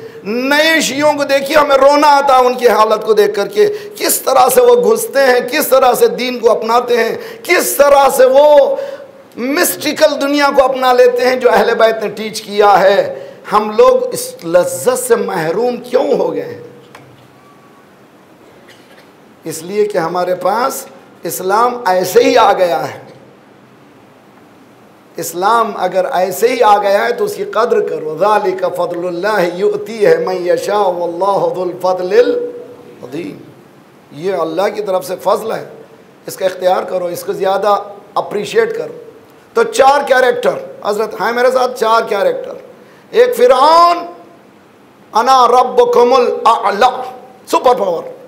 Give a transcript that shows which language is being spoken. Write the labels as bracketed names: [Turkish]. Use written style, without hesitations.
[Hindi] नए शियों को देखिए, हमें रोना आता है उनकी हालत को देख करके, किस तरह से वो घुसते हैं, किस तरह से दीन को अपनाते हैं, किस तरह से वो मिस्टिकल दुनिया को अपना लेते हैं जो अहले बैत ने टीच किया है। हम लोग इस लज्जत से महरूम क्यों हो गए? इसलिए कि हमारे पास इस्लाम ऐसे ही आ गया है। इस्लाम अगर ऐसे ही आ गया है तो उसकी कद्र करो। [Arabic] ذلك فضل الله يؤتيه من يشاء والله ذو الفضل العظيم। [Hindi] ये अल्लाह की तरफ से फजल है, इसका इख्तियार करो, इसको ज्यादा अप्रिशिएट करो। तो चार कैरेक्टर हजरत हैं मेरे साथ, चार कैरेक्टर। एक फिरौन, अना रब कमल अला, सुपर पावर।